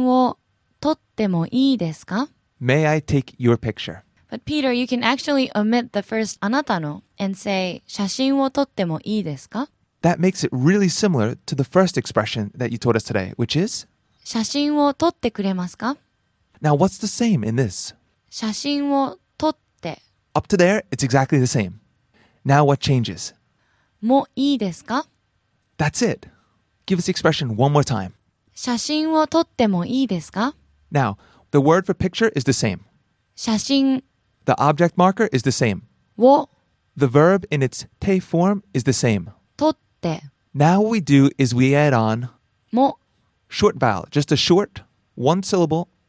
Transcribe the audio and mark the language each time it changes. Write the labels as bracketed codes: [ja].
[ja] あなたの写真を撮ってもいいですか? [en] May I take your picture? But Peter, you can actually omit the first あなたの and say [ja] 写真を撮ってもいいですか? [en] That makes it really similar to the first expression that you taught us today, which is [ja] 写真を撮ってくれますか? [en] Now, what's the same in this? [ja] 写真を撮って. [en] Up to there, it's exactly the same. Now, what changes? [ja] もいいですか? [en] That's it. Give us the expression one more time. [ja] 写真を撮ってもいいですか? [en] Now, the word for picture is the same. [ja] 写真. [en] The object marker is the same. [ja] を. [en] The verb in its te form is the same. [ja] 撮って. [en] Now, what we do is we add on [ja] も. [en] Short vowel, just a short one syllable.